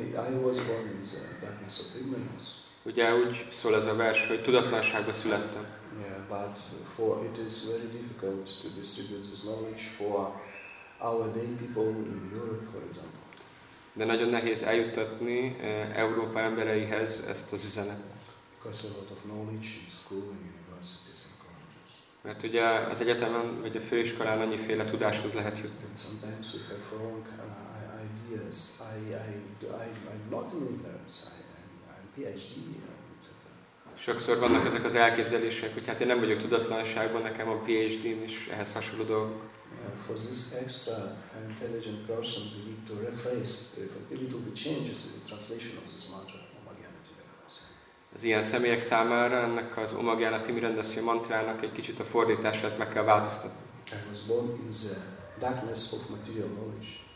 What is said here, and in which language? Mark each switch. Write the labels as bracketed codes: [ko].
[en] I was born in the darkness of ignorance. [hu] Ugye úgy szól ez a vers, hogy tudatlanságba születtem. [en] Yeah, but for it is very difficult to distribute this knowledge for our day people in Europe, for example. [hu] De nagyon nehéz eljuttatni Európa embereihez ezt az üzenet. [en] Because a lot of knowledge in school and universities and colleges. [hu] Mert ugye az egyetemen vagy a főiskolán annyiféle tudáshoz lehet jutni. [en] And sometimes we have wrong ideas. I'm not an ignorance, I'm PhD, etc. [hu] Sokszor vannak ezek az elképzelések, hogy hát én nem vagyok tudatlanságban, nekem a PhD-m is ehhez hasonló dolgok. [en] For this extra intelligent person, we need to rephrase a little bit changes in the translation of this mantra, Omagyana Timirendeszi. [hu] Az ilyen személyek számára ennek az Omagyana Timirendeszi mantrának egy kicsit a fordítását meg kell változtatni. [en] I was born in the darkness of material knowledge.